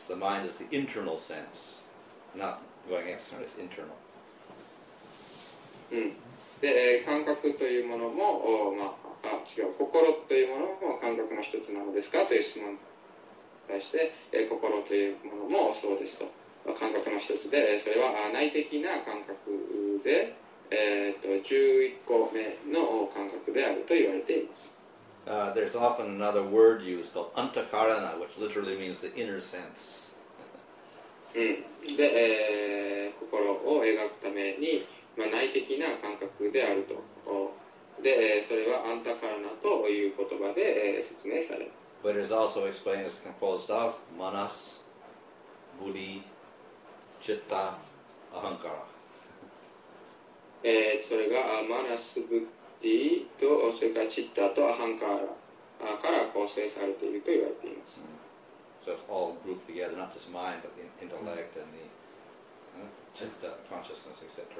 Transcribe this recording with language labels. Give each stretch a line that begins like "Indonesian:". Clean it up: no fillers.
English: The mind is the internal sense, not going external. It's internal.
Japanese: で、感覚というものも、違う。心というものも感覚の一つなのですか？という質問。対して、心というものもそうですと、感覚の一つで、それは内的な感覚で、11個目の感覚であると言われています。
English: There's often another word used called antakarana, which literally means the inner sense.
Japanese: で、心を描くために、まあ、内的な感覚であると。で、それはアンタカラナという言葉で、説明されます。
English: But it is also explained as composed of manas, buddhi, chitta, ahankara.
Japanese: それがマナス、ブッディと、それがチッタとアハンカラから構成されていると言われています。
English: So it's all grouped together, not just mind, but the intellect and the chitta, consciousness, etc.